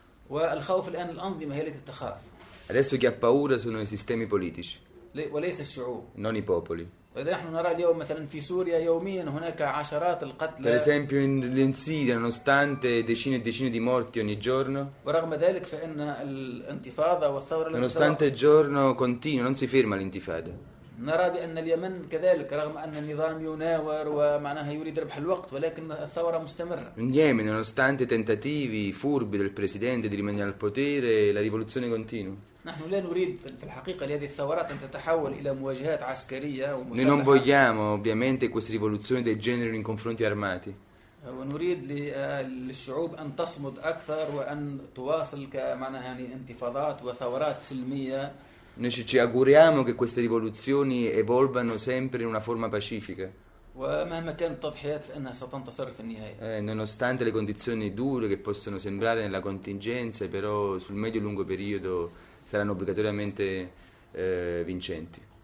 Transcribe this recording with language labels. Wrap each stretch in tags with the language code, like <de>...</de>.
<ar>والخوف الآن الأنظمة هي التي تخاف.</ar> <it>Adesso chi ha paura sono i sistemi politici.</it> <ar>وليس الشعوب.</ar> <it>Non i popoli.</it> <ar>نحن نرى اليوم مثلا في سوريا يوميا هناك عشرات القتلى.</ar> <it>Per esempio in Siria nonostante decine e decine di morti ogni giorno.</it> <ar>ورغم ذلك فإن الانتفاضة والثورة.</ar> <it>Nonostante il giorno continua non si ferma l'intifada.</it> <ar>نرى بأن اليمن كذلك رغم أن النظام يناور ومعناها يريد ربح الوقت ولكن الثورة مستمرة.</ar> <it>In Yemen, nonostante tentativi furbi del presidente di rimanere al potere, la rivoluzione continua.</it> <ar>نحن لا نريد في الحقيقة لهذه الثورات أن تتحول إلى مواجهات عسكرية.</ar> <it>Noi non vogliamo ovviamente queste rivoluzioni degenerino in confronti armati.</it> <ar>ونريد للشعوب أن تصمد أكثر وأن تواصل كمعناها يعني انتفاضات وثورات سلمية.</ar> <it>Noi ci auguriamo che queste rivoluzioni evolvano sempre in una forma pacifica. Nonostante le condizioni dure che possono sembrare nella contingenza, però sul medio e lungo periodo saranno obbligatoriamente vincenti.</it>